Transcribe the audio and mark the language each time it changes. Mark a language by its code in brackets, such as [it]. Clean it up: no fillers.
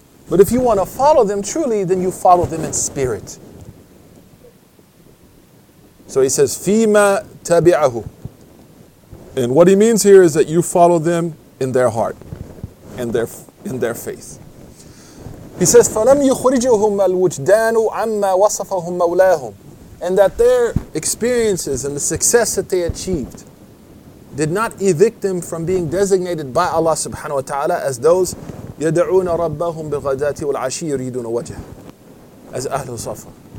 [en] But if you want to follow them truly, then you follow them in spirit. So he says, [ar] فِيمَا تَبِعَهُ. [en] And what he means here is that you follow them in their heart, in their faith. He says, [ar] فَلَمْ يُخْرِجُهُمَ الْوُجْدَانُ عَمَّا وَصَفَهُمْ مَوْلَاهُمْ. [en] And that their experiences and the success that they achieved did not evict them from being designated by Allah subhanahu wa ta'ala as those [ar] يَدْعُونَ رَبَّهُمْ بِغَدَاتِ وَالْعَشِيِّ يُرِيدُونَ وَجْهَ [en] as Ahlul Safa.